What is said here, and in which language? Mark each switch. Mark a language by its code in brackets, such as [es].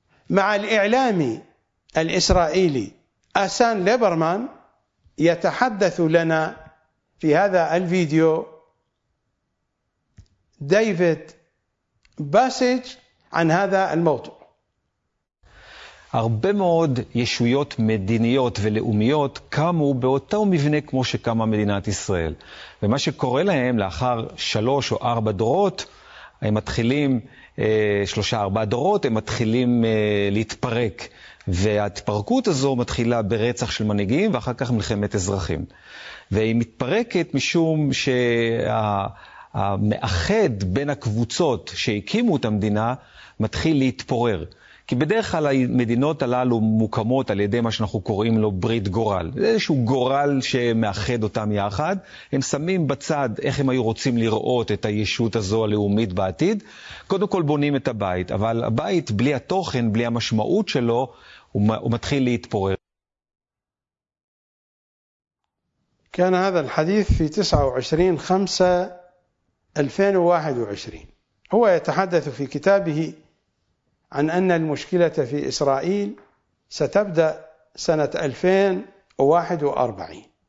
[ar] مع الإعلامي الإسرائيلي أسان ليبرمان يتحدث لنا في هذا الفيديو ديفيد باسج عن هذا الموضوع. [he] הרבה מאוד ישויות מדיניות ולאומיות קמו באותו מבנה כמו שקמה מדינת ישראל. ומה שקורה להם לאחר 3 או 4 דורות, הם מתחילים, 3-4 דורות, הם מתחילים להתפרק. וההתפרקות הזו מתחילה ברצח של מנהיגים ואחר כך מלחמת אזרחים. והיא מתפרקת משום שהמאחד בין הקבוצות שהקימו את המדינה מתחיל להתפורר. כי בדרך כלל המדינות הללו מוקמות על ידי מה שאנחנו קוראים לו ברית גורל. זה איזשהו גורל שמאחד אותם יחד. הם שמים בצד איך הם היו רוצים לראות את הישות הזו הלאומית בעתיד. קודם כל בונים את הבית, אבל הבית בלי התוכן, בלי המשמעות שלו, הוא מתחיל להתפורר. כאן [ar] هذا الحديث في 29/5/2021. هو يتحدث في كتابه عن أن المشكلة في إسرائيل ستبدأ 2041.